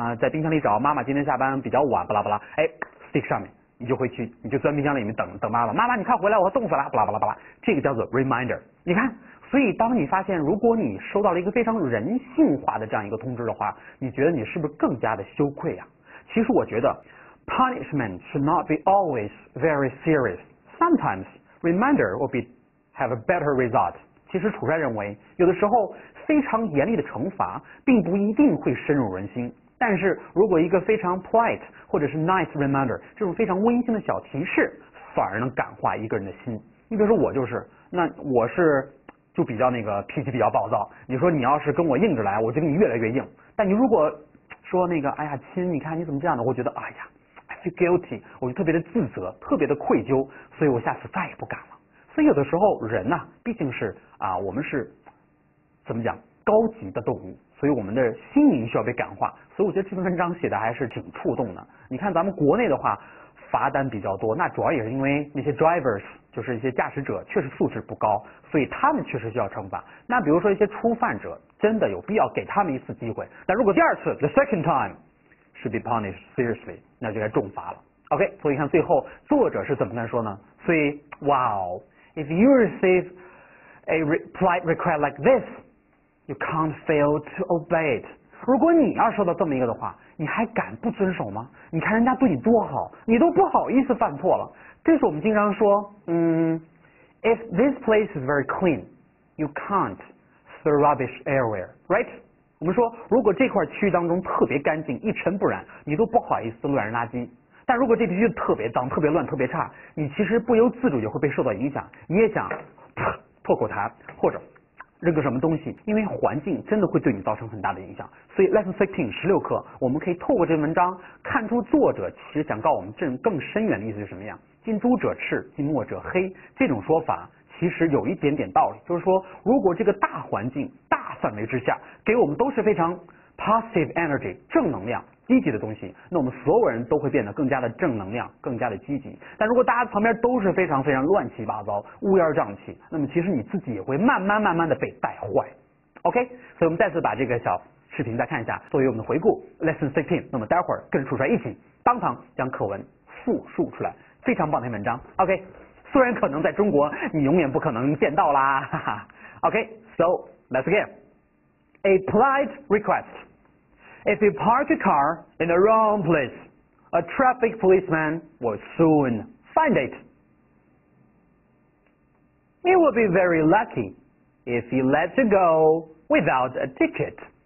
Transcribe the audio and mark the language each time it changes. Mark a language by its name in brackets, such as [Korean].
[Chinese] 在冰箱里找，妈妈今天下班比较晚，巴拉巴拉，哎 ，stick 上面，你就回去，你就钻冰箱里面等等妈妈，妈妈你快回来，我冻死了，巴拉巴拉巴拉，这个叫做 reminder。你看，所以当你发现如果你收到了一个非常人性化的这样一个通知的话，你觉得你是不是更加的羞愧呀？其实我觉得 [English] ，punishment should not be always very serious. Sometimes reminder will be have a better result. [Chinese] 其实楚帅认为，有的时候。非常严厉的惩罚并不一定会深入人心，但是如果一个非常 [English] polite [Chinese] 或者是 [English] nice reminder [Chinese] 这种非常温馨的小提示反而能感化一个人的心，你比如说我就是，那我是就比较那个脾气比较暴躁，你说你要是跟我硬着来我就跟你越来越硬，但你如果说那个哎呀亲你看你怎么这样的，我觉得哎呀 [English] I feel guilty， [Chinese] 我就特别的自责特别的愧疚，所以我下次再也不敢了。所以有的时候人呢、毕竟是我们是怎么讲高级的动物，所以我们的心灵需要被感化。所以我觉得这篇文章写的还是挺触动的。你看咱们国内的话，罚单比较多，那主要也是因为那些 drivers 就是一些驾驶者确实素质不高，所以他们确实需要惩罚。那比如说一些初犯者，真的有必要给他们一次机会。但如果第二次 [English] the second time should be punished seriously， [Chinese] 那就该重罚了。 OK， 所以你看最后作者是怎么跟说呢？所以 [English] wow， if you receive a polite request like this， you can't fail to obey it。 [Chinese] 如果你要收到这么一个的话，你还敢不遵守吗？你看人家对你多好，你都不好意思犯错了。这是我们经常说， [English] If this place is very clean, you can't throw rubbish everywhere, right? [Chinese] 我们说，如果这块区域当中特别干净，一尘不染，你都不好意思乱扔垃圾。但如果这地区特别脏、特别乱、特别差，你其实不由自主就会被受到影响，你也想唾口痰或者扔个什么东西，因为环境真的会对你造成很大的影响。所以 Lesson 16 16课，我们可以透过这篇文章看出作者其实想告我们这更深远的意思是什么样。近朱者赤，近墨者黑，这种说法其实有一点点道理，就是说如果这个大环境大范围之下给我们都是非常 positive energy 正能量积极的东西，那我们所有人都会变得更加的正能量，更加的积极。但如果大家旁边都是非常非常乱七八糟、乌烟瘴气，那么其实你自己也会慢慢慢慢的被带坏。 OK， 所以我们再次把这个小视频再看一下，作为我们的回顾 Lesson 16。那么待会儿跟楚帅一起当场将课文复述出来，非常棒的文章。 OK， 虽然可能在中国你永远不可能见到啦。 [English] OK，so、okay, let's get a polite request。 If you park a car in the wrong place, a traffic policeman will soon find it. You will be very lucky if he lets you go without a ticket.